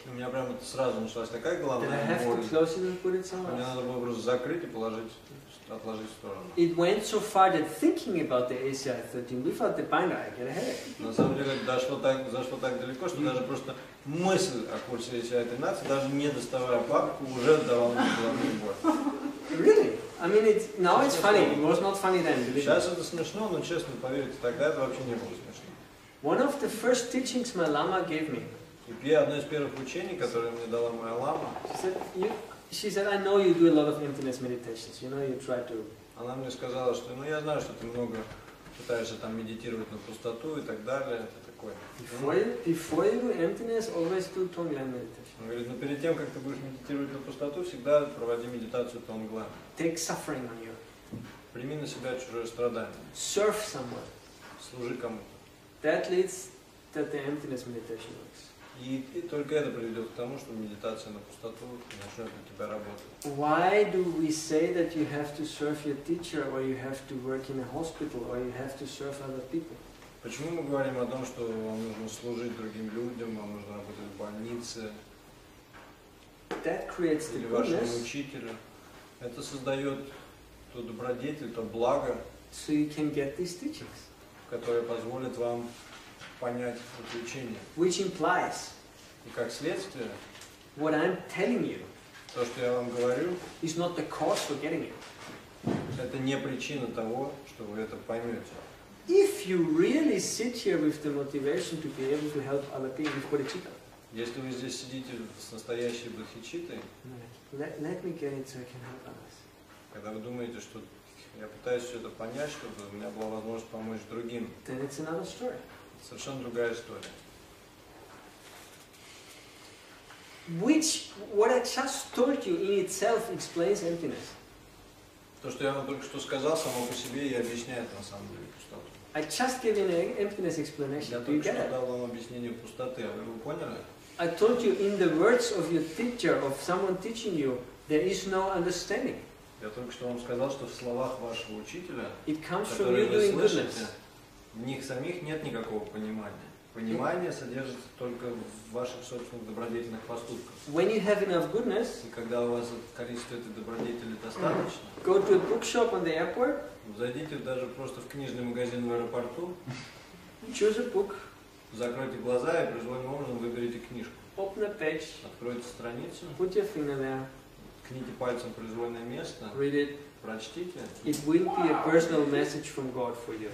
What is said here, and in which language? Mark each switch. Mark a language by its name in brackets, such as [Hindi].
[Russian] У меня прямо сразу началась такая головная боль. Мне надо было просто закрыть и положить, отложить в сторону. [English] It went so far that thinking about the ACI 13 without the binder, I get a headache. [Russian] На самом деле зашло так далеко, что даже просто мысль о курсе ACI 13, даже не доставая папку, уже давала мне головную боль. [English] Really? I mean, it's funny. It was not funny then. [Russian] Сейчас это смешно, но честно, поверьте, тогда это вообще не было смешно. [English] One of the first teachings my lama gave me. [Russian] И одно из первых учений, которое мне дала моя лама. [English] She said, I know you do a lot of emptiness meditations. You know, you try to. [Russian] Она мне сказала, что, ну я знаю, что ты много пытаешься там медитировать на пустоту и так далее, это такое. [English] Before you do emptiness, always do tonglen meditation. [Russian] Он говорит, ну перед тем, как ты будешь медитировать на пустоту, всегда проводи медитацию тонгла. [English] Take suffering on you. [Russian] Прими на себя чужое страдание. [English] Serve someone. [Russian] Служи кому-то. [English] That leads to the emptiness meditation works. [Russian] И только это приведет к тому, что медитация на пустоту начнет для тебя работать. [English] Why do we say that you have to serve your teacher, or you have to work in a hospital, or you have to serve other people? [Russian] Почему мы говорим о том, что вам нужно служить другим людям, вам нужно работать в больнице? [English] That creates the goodness. [Russian] Или вашему учителю. Это создает то добродетель, то благо, [English] so you can get these teachings, [Russian] которые позволят вам понять это учение. [English] Which implies, [Russian] и как следствие, [English] what I'm telling you, [Russian] то, что я вам говорю, [English] is not the cause for getting it. [Russian] Это не причина того, что вы это поймете. [English] If you really sit here with the motivation to be able to help other people, with bodhicitta. [Russian] Если вы здесь сидите с настоящей бодхичиттой, [English] let me get it so I can help others. [Russian] Когда вы думаете, что я пытаюсь все это понять, чтобы у меня была возможность помочь другим, [English] then it's another story. [Russian] Совершенно другая история. [English] Which what I just told you in itself explains emptiness. [Russian] То, что я вам только что сказал, само по себе и объясняет на самом деле пустоту. [English] I just gave an emptiness explanation. [Russian] Я только что дал вам объяснение пустоты, а вы его поняли? [English] I told you in the words of your teacher, of someone teaching you, there is no understanding. [Russian] Я только что вам сказал, что в словах вашего учителя, [English] it comes from you doing goodness. [Russian] В них самих нет никакого понимания. Понимание содержится только в ваших собственных добродетельных поступках. [English] When you have enough goodness, [Russian] и когда у вас количество этой добродетели достаточно, [English] go to a bookshop on the airport, [Russian] зайдите даже просто в книжный магазин в аэропорту, [English] choose a book. [Russian] Закройте глаза и произвольным образом выберите книжку. [English] Open a page. [Russian] Откройте страницу. [English] Put your finger there. [Russian] Ткните пальцем произвольное место. [English] Read it. [Russian] Прочтите. [English] It will be a personal message from God for you.